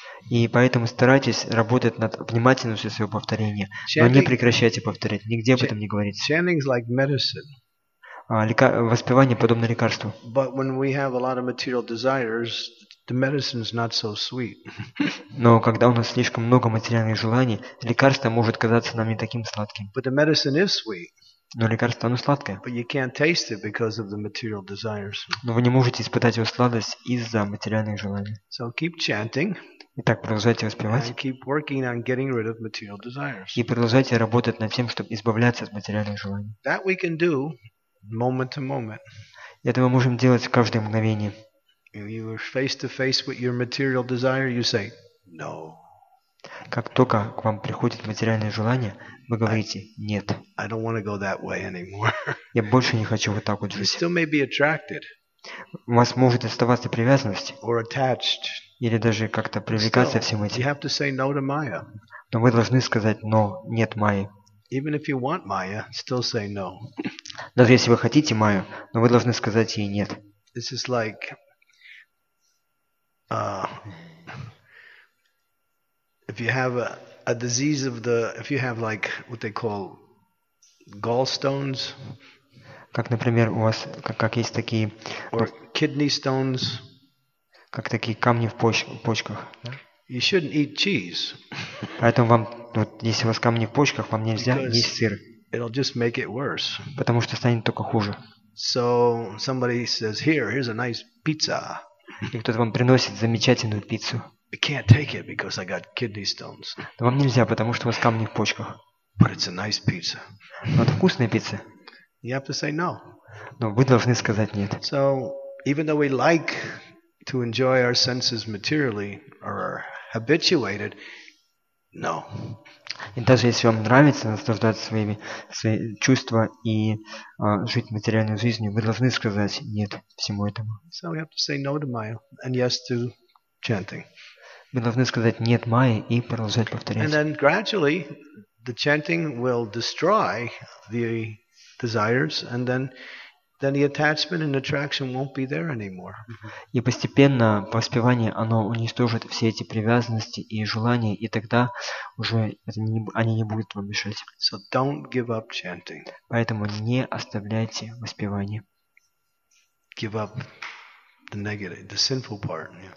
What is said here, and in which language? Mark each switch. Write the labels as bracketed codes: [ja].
[ru] И поэтому старайтесь работать над внимательностью своего повторения, но не прекращайте повторять, нигде об этом не говорится. [en] Chanting is like medicine. [ru] Воспевание подобно лекарству. [en] But when we have a lot of material desires, the medicine is not so sweet. [ru] Но когда у нас слишком много материальных желаний, лекарство может казаться нам не таким сладким. [en] But the medicine is sweet. [ru] Но лекарство, оно сладкое. [en] But you can't taste it because of the material desires. [ru] Но вы не можете испытать его сладость из-за материальных желаний. [en] So keep chanting. [ru] Итак, продолжайте воспевать. [en] And keep working on getting rid of material desires. [ru] И продолжайте работать над тем, чтобы избавляться от материальных желаний. [en] That we can do. Moment to moment. [ru] Это мы можем делать в каждое мгновение. [en] If you are face to face with your material desire, you say no. [ru] Как только к вам приходит материальное желание, вы говорите нет. [en] I don't want to go that way anymore. [ru] Я больше не хочу вот так вот жить. [en] You still may be attracted. [ru] У вас может оставаться привязанность. [en] Or attached. [ru] Или даже как-то привлекаться всем этим. [en] You have to say no to Maya. [ru] Но вы должны сказать но, нет Майи. [en] Even if you want Maya, still say no. [ru] Даже если вы хотите Майю, но вы должны сказать ей нет. [en] This is like, if you have a disease of the, if you have like what they call gallstones. [ru] Как, например, у вас как есть такие. [en] Or kidney stones. [ru] Как такие камни в почках. [en] You shouldn't eat cheese. [ru] Поэтому вам, вот, если у вас камни в почках, вам нельзя есть сыр. [en] It'll just make it worse. [ru] Потому что станет только хуже. [en] So somebody says, here's a nice pizza. [ru] И кто-то вам приносит замечательную пиццу. [en] I can't take it because I got kidney stones. [ru] Но вам нельзя, потому что у вас камни в почках. [en] But it's a nice pizza. [ru] Но это вкусная пицца. [en] You have to say no. [ru] Но вы должны сказать нет. [en] So even though we like to enjoy our senses materially or are habituated, no. [ru] И даже если вам нравится наслаждаться своими свои чувства и жить материальной жизнью, вы должны сказать нет всему этому. [en] So we have to say no to Maya and yes to chanting. [ru] Вы должны сказать нет Майе и продолжать повторять. [en] And then gradually the chanting will destroy the desires and then the attachment and attraction won't be there anymore. [ru] И постепенно поспевание оно уничтожит все эти привязанности и желания, и тогда уже они не будут вам мешать. [en] So don't give up chanting. [ru] Поэтому не оставляйте воспевание. [en] Give up the negative, the sinful part.